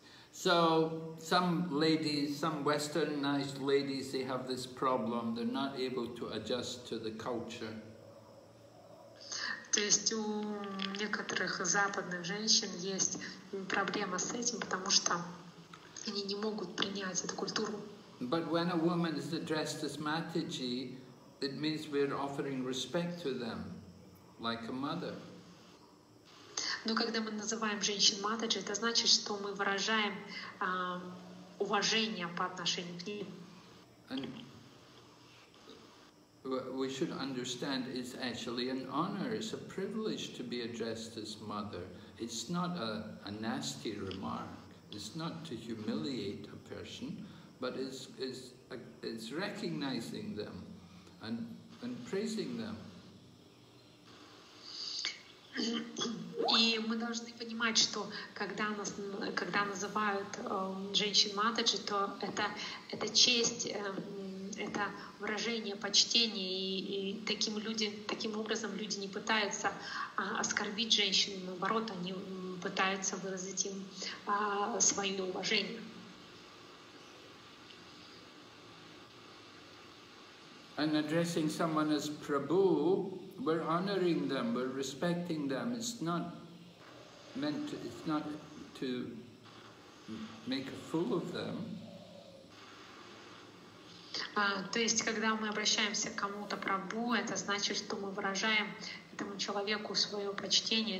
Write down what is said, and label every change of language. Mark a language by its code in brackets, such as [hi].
[en] So, some ladies, some westernized ladies, they have this problem, they're not able to adjust to the culture. [ru] То есть у некоторых западных женщин есть проблема с этим, потому что они не могут принять эту культуру. [en] But when a woman is addressed as Mataji, it means we're offering respect to them, like a mother. [ru] Но когда мы называем женщин Матаджи, это значит, что мы выражаем уважение по отношению к ним. [en] And we should understand it's actually an honor, it's a privilege to be addressed as mother. It's not a nasty remark. It's not to humiliate a person, but it's recognizing them and praising them. [ru] И мы должны понимать, что когда называют женщин матаджи, то это честь, это выражение почтения, и таким образом люди не пытаются оскорбить женщин, наоборот, они пытаются выразить им свое уважение. [en] And addressing someone as Prabhu, we're honoring them, we're respecting them. It's not to make a fool of them. [ru] То есть, когда мы обращаемся к кому-то Прабу, это значит, что мы выражаем этому человеку свое почтение.